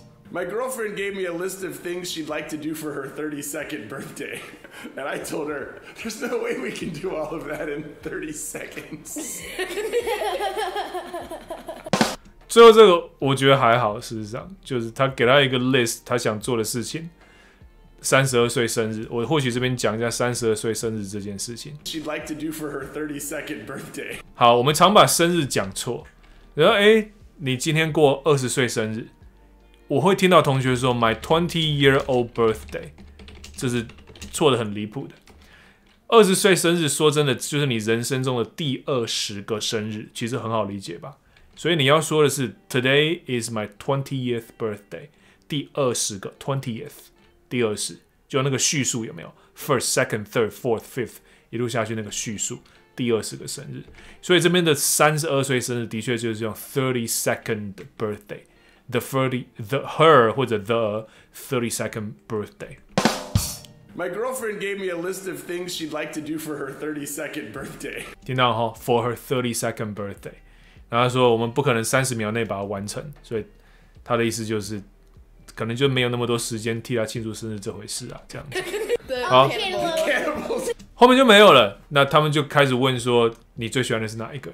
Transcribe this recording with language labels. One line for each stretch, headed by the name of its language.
English: My girlfriend gave me a list of things she'd like to do for her 32nd birthday, and I told her there's no way we can do all of that in 30 seconds.
Chinese: 最后这个我觉得还好，事实上就是他给他一个 list， 他想做的事情。 32岁生日，我或许这边讲一下32岁生日这件事情。
English: She'd like to do for her 32nd birthday。
Chinese: 好，我们常把生日讲错。然后，你今天过20岁生日，我会听到同学说
English: my 20-year-old birthday，
Chinese: 这是错的很离谱的。 20岁生日，说真的，就是你人生中的第20个生日，其实很好理解吧？所以你要说的是
English: today is my 20th birthday，
Chinese: 第20个 20th。第二十，就那个序数有没有 ？
English: First, second, third, fourth, fifth，
Chinese: 一路下去那个序数，第20个生日。所以这边的32岁生日的确就是用
English: 32nd birthday， the 32nd birthday。 My girlfriend gave me a list of things she'd like to do for her 32nd birthday。
Chinese: 听到哈 ，
English: for her 32nd birthday，
Chinese: 然后他说我们不可能30秒内把它完成，所以他的意思就是。可能就没有那么多时间替他庆祝生日这回事啊，这样子。好，后面就没有了。那他们就开始问说，你最喜欢的是哪一个？